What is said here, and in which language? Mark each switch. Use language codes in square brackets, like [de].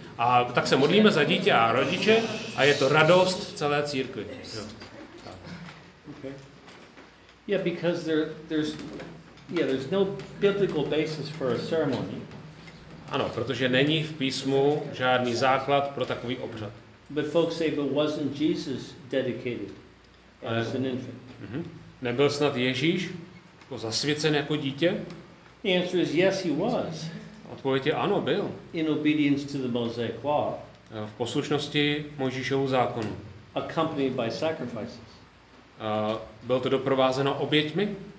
[cs] A tak se modlíme za dítě a rodiče a je to radost celé církve. [en] Okay. Yeah, because there's no biblical basis for a ceremony. [cs] Ano, protože není v písmu žádný základ pro takový obřad. [en] But folks say but wasn't Jesus dedicated as an infant? Mm-hmm. [cs] Nebyl snad Ježíš jako zasvěcen jako dítě? [en] The answer is yes, he was. [cs] Odpověď je ano, byl. [en] In obedience to the Mosaic law. [cs] V poslušnosti Mojžíšovu zákonu. [en] Accompanied by sacrifices. [cs] Byl to doprovázeno oběťmi?